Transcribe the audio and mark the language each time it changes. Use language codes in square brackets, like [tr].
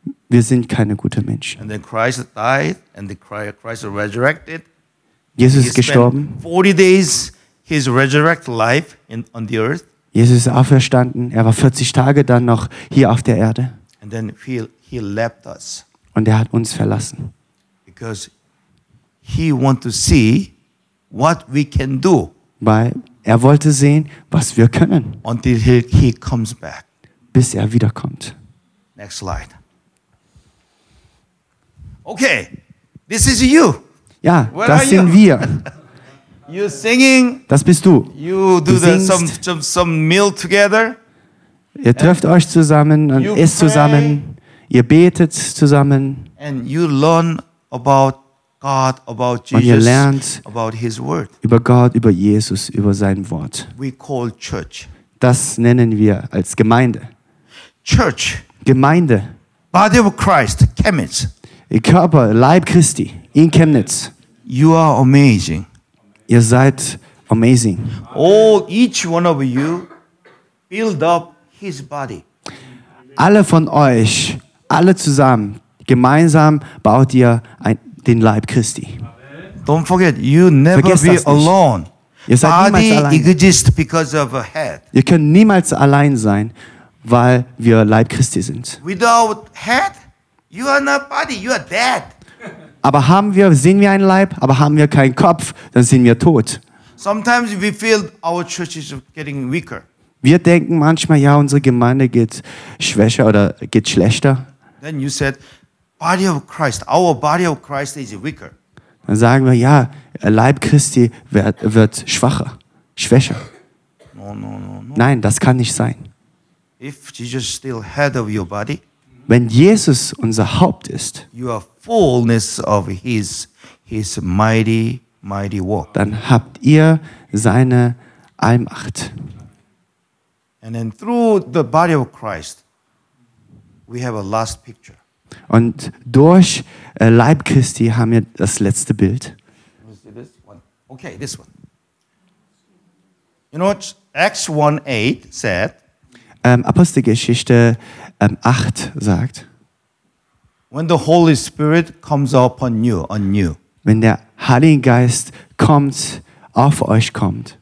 [de] Wir sind keine guten Menschen. [en] And then Christ died and Christ resurrected. [de] Jesus ist gestorben. [en] 40 days his resurrected life on the earth. [de] Jesus ist auferstanden. Er war 40 Tage dann noch hier auf der Erde. [en] And then he left us. [de] Und er hat uns verlassen. [en] Because he wanted to see what we can do. [de] Weil er wollte sehen, was wir können. [en] Until he comes back. [de] Bis er wiederkommt. [en] Next slide. Okay, this is you. [de] Ja, where das sind you? Wir. [en] You're singing. [de] Das bist du. [en] You do [de] du singst. [en] Some meal together. [de] Ihr trefft euch zusammen und isst zusammen. Ihr betet zusammen. [en] And you learn about God, about Jesus, [de] und ihr lernt [en] about his word. [de] Über Gott, über Jesus, über sein Wort. [en] We call church. [de] Das nennen wir als Gemeinde. [en] Church. [de] Gemeinde. [en] Body of Christ, Chemnitz. [de] Ihr Körper, Leib Christi, in Chemnitz. [en] You are amazing. [de] Ihr seid amazing. [en] All each one of you build up his body. [de] Alle von euch, alle zusammen, gemeinsam baut ihr den Leib Christi. [en] Don't forget, you never [de] vergesst [en] be alone. [de] Ihr seid [en] body [de] niemals [en] exists because of a head. [de] Ihr könnt niemals allein sein, weil wir Leib Christi sind. [en] Without head, you are not body, you are dead. [de] Aber sind wir ein Leib, aber haben wir keinen Kopf, dann sind wir tot. [en] Sometimes we feel our church is getting weaker. [de] Wir denken manchmal, ja, unsere Gemeinde geht schwächer oder geht schlechter. [en] Then you said, body of Christ, our body of Christ is weaker. [de] Dann sagen wir, ja, Leib Christi wird schwacher, schwächer. [en] No. [de] Nein, das kann nicht sein. [en] If Jesus still head of your body, [de] wenn Jesus unser Haupt ist, [en] you are fullness of his mighty, mighty work. [de] Dann habt ihr seine Allmacht. [en] And then through the body of Christ, we have a last picture. [de] Und durch Leib Christi haben wir das letzte Bild. [en] Let me see this one. Okay, this one. You know what Acts 1:8 said? [de] Apostelgeschichte 8 sagt. [en] When the Holy Spirit comes upon you, on you. [de] Wenn der Heilige Geist kommt, auf euch kommt.